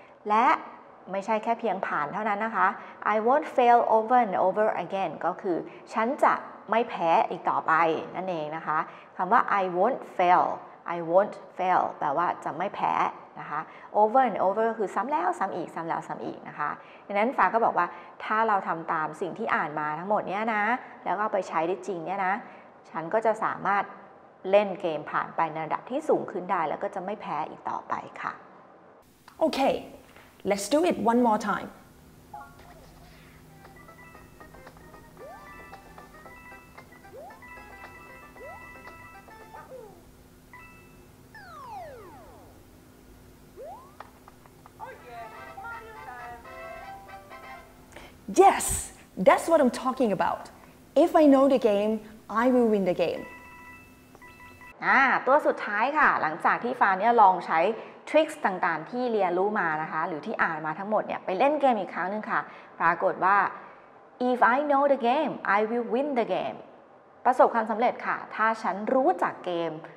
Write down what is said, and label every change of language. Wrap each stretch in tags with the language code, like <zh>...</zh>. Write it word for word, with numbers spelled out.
<th>และไม่ใช่แค่เพียงผ่านเท่านั้นนะคะ</th> <en>I won't fail over and over again</en> <th>ก็คือฉันจะไม่แพ้อีกต่อไปนั่นเองนะคะคำว่า</th> <en>I won't fail I won't fail</en> <th>แปลว่าจะไม่แพ้นะคะ</th> <en>over and over</en> <th>คือซ้ำแล้วซ้ำอีกซ้ำแล้วซ้ำอีกนะคะดังนั้นฟ้าก็บอกว่าถ้าเราทำตามสิ่งที่อ่านมาทั้งหมดเนี้ยนะแล้วก็ไปใช้ได้จริงเนี้ยนะฉันก็จะสามารถเล่นเกมผ่านไปในระดับที่สูงขึ้นได้แล้วก็จะไม่แพ้อีกต่อไปค่ะ</th> <en>Okay, let's do it one more time. Yes, that's what I'm talking about. If I know the game, I will win the game.</en> <th>อ่าตัวสุดท้ายค่ะหลังจากที่ฟ้าเนี่ยลองใช้ทริคต่างๆที่เรียนรู้มานะคะหรือที่อ่านมาทั้งหมดเนี่ยไปเล่นเกมอีกครั้งนึงค่ะปรากฏว่า</th> <en>If I know the game, I will win the game.</en> <th>ประสบความสำเร็จค่ะถ้าฉันรู้จักเกม</th>